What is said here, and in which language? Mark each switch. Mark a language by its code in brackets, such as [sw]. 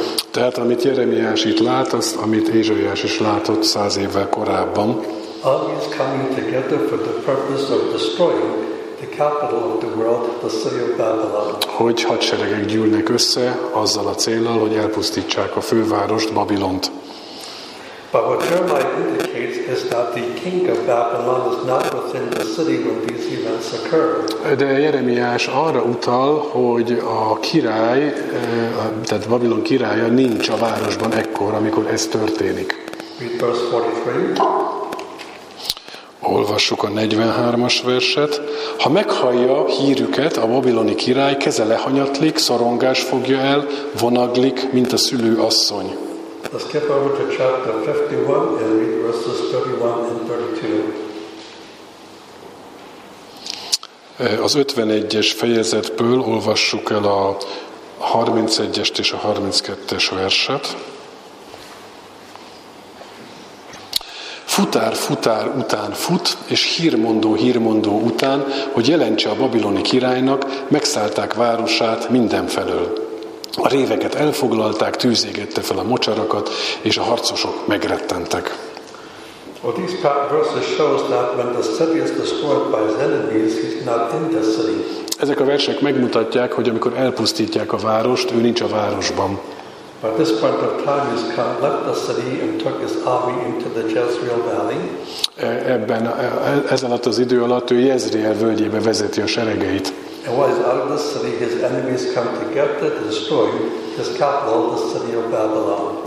[hu] Tehát amit Jeremiás itt lát, azt, amit Ézsaiás is látott 100 évvel korábban. [en] All is coming together for the purpose of destroying the capital of the world, the city of Babylon. [hu] Hogy hadseregek gyűlnek össze azzal a céllal, hogy elpusztítsák a fővárost, Babilont. [en] But what Jeremiah indicates is that the king of Babylon is not within the city when these events occur. [hu] De Jeremiás arra utal, hogy a király, tehát Babilon királya nincs a városban ekkor, amikor ez történik. [en] Read verse 43. [hu] Olvassuk a 43-as verset. Ha meghallja hírüket, a babiloni király keze lehanyatlik, szorongás fogja el, vonaglik, mint a szülő asszony. [en] Let's skip over to chapter 51 and read verses 31 and 32. [hu] Az 51-es fejezetből olvassuk el a 31-est és a 32-es verset. Futár, futár után fut, és hírmondó, hírmondó után, hogy jelentse a babiloni királynak, megszállták városát mindenfelől. A réveket elfoglalták, tűz égette fel a mocsarakat, és a harcosok megrettentek. [en] Well, these verses show us that when the city is destroyed by his enemies, he's not in the city. [hu] Ezek a versek megmutatják, hogy amikor elpusztítják a várost, ő nincs a városban. [en] But this point of time, he's left the city and took his army into the Jezreel Valley. [hu] Ebben ezen alatt az idő alatt ő Jezreel völgyébe vezeti a seregeit. [en] And while he's out of the city, his enemies come to get it, destroy his capital, the city of Babylon.